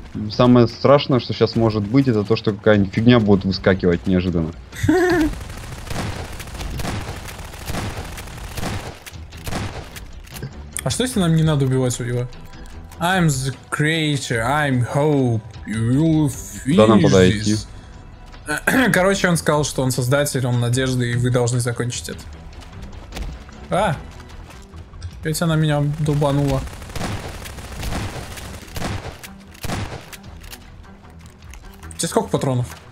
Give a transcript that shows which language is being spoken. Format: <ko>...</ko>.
<ru>Самое страшное, что сейчас может быть, это то, что какая-нибудь фигня будет выскакивать неожиданно. А что если нам не надо убивать его?</ru> <en>I'm the creator, I'm hope, you will finish.</en> <ru>Да, нам пора идти. Короче, он сказал, что он создатель, он надежда, и вы должны закончить это. А! Ведь она меня дубанула. Тебе сколько патронов?</ru>